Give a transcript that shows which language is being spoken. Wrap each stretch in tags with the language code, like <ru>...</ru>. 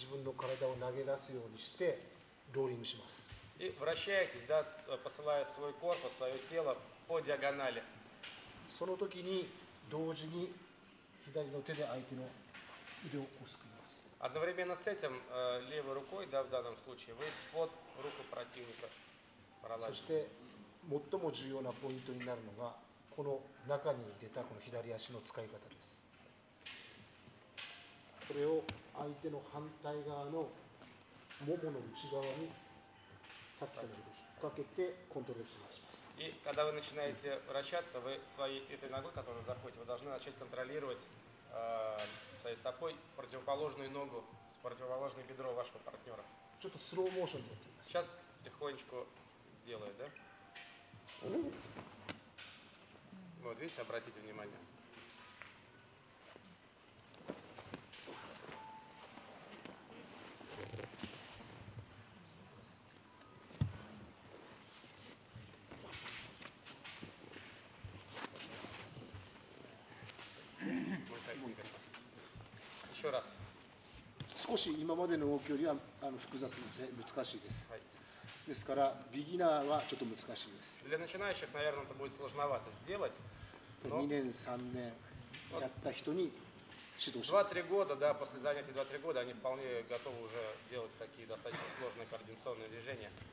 <ja>そしてこちらの方向ですね。肩のこちらの方向に自分の体を投げ出すようにしてローリングします。</ja> <ru>И вращаетесь, да, посылая свой корпус, свое тело по диагонали.</ru> <ja>その時に同時に左の手で相手の腕を押すくります。</ja> <ru>Одновременно с этим левой рукой, да, в данном случае, вы под руку противника проложите.</ru> <ja>そして最も重要なポイントになるのが この中に入れたこの左足の使い方です。これを相手の反対側のももの内側にさっきのように引っ掛けてコントロールします。</ja> <ru>И когда вы начинаете вращаться, вы своей этой ногой, которую заходите, вы должны начать контролировать своей стопой противоположную ногу, противоположное бедро вашего партнера. Что-то</ru> <en>slow motion.</en> <ru>Сейчас потихонечку сделаю, да? Вот видите, обратите внимание. Еще раз.</ru> <ja>少し今までの動きよりは複雑で難しいです。ですからビギナーはちょっと難しいです。</ja> <ru>Для начинающих, наверное, это будет сложновато сделать. 2-3 года, да, после занятий 2-3 года они вполне готовы уже делать такие достаточно сложные координационные движения.</ru>